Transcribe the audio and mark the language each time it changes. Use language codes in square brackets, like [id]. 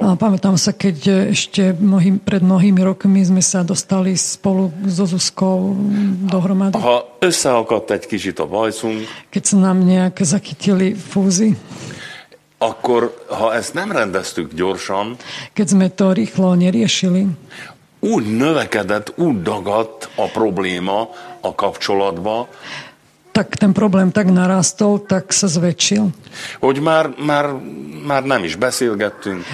[sk] A pamätám sa, keď ešte pred mnohými rokmi sme sa dostali spolu so Zuzkou dohromady. [hu] Ha összeakadt egy kicsit a bajszunk, [sk] keď sa nám nejak zakytili fúzi, [hu] akkor, ha ezt nem rendeztük gyorsan, [sk] keď sme to rýchlo neriešili, [hu] úgy növekedett, úgy dagadt a probléma a kapcsolatba, [sk] tak ten problém tak narastol, tak sa zväčšil. [hu] Hogy már nem is beszélgettünk.